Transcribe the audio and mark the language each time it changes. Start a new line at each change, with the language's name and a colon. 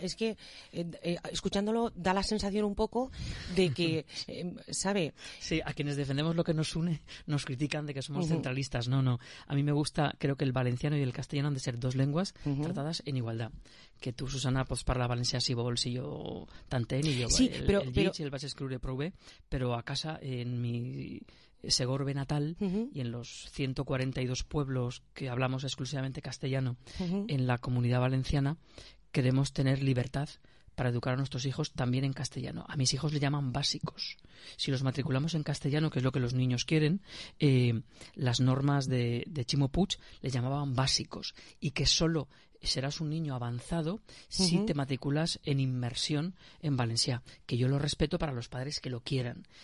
Spanish: Es que, escuchándolo, da la sensación un poco de que, ¿sabe? Sí, a quienes defendemos lo que nos une nos critican de que somos uh-huh. centralistas. No, no. A mí me gusta, creo que el valenciano y el castellano han de ser dos lenguas uh-huh. tratadas en igualdad. Que tú, Susana, pues
Catalan: parla valencià si vols, si jo t'entén, i jo sí, el llig i el vaig escriure prou bé, però a casa, en mi...
Spanish: Segorbe natal uh-huh. y en los 142 pueblos que hablamos exclusivamente castellano uh-huh. en la Comunidad Valenciana, queremos tener libertad para educar a nuestros hijos también en castellano. A mis hijos le llaman básicos. Si los matriculamos en castellano, que es lo que los niños quieren, las normas de Ximo Puig le llamaban básicos, y que solo serás un niño avanzado si uh-huh. te matriculas en inmersión en valencià, que yo lo respeto para los padres que lo quieran.